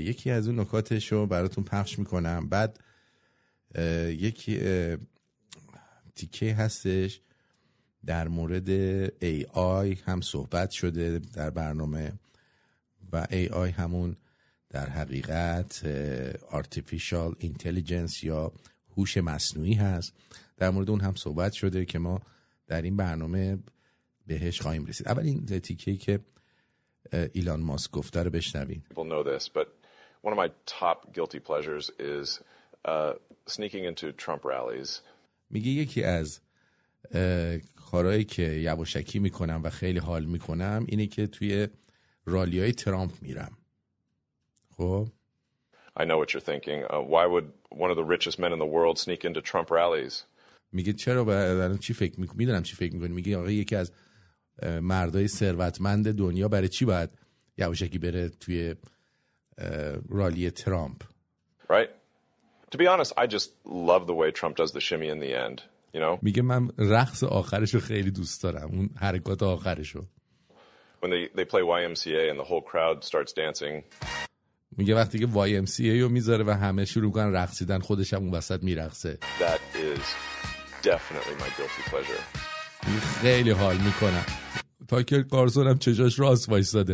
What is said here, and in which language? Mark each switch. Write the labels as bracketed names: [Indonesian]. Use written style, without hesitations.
[Persian] یکی از اون نکاتشو براتون پخش میکنم. بعد یکی تیکه هستش در مورد ای آی هم صحبت شده در برنامه، و ای آی همون در حقیقت آرتیفیشال اینتلیجنس یا هوش مصنوعی هست. در مورد اون هم صحبت شده که ما در این برنامه بهش خواهیم رسید. اول این تیکه‌ای که ایلان ماسک گفته رو بشنوید. [English] People know this, but one of my top guilty pleasures is sneaking into Trump rallies. [Persian] میگه یکی از کارهایی که یواشکی میکنم و خیلی حال میکنم اینه که توی رالی‌های ترامپ میرم. خب [English] I know what you're thinking. Why would one of the richest men in the world sneak into Trump rallies? [Persian] میگه چرا الان چی فکر میکنی؟ میدونم چی فکر میکنی. میگه آقا یکی از مردای ثروتمند دنیا برای چی باید یواشکی بره توی رالی ترامپ؟ [English] Right. To be honest, I just love the way Trump does the shimmy in the end, you know? [Persian] میگه من رقص آخرشو خیلی دوست دارم، اون حرکات آخرشو. [English] When they play YMCA and the whole crowd starts dancing. [Persian] میگه وقتی که YMCA رو میذاره و همه شروع کردن رقصیدن، خودش هم اون وسط میرقصه. [English] That is definitely my guilty pleasure. [Persian] خیلی حال میکنم. تاکر کارسون هم چشاش راست وایساده.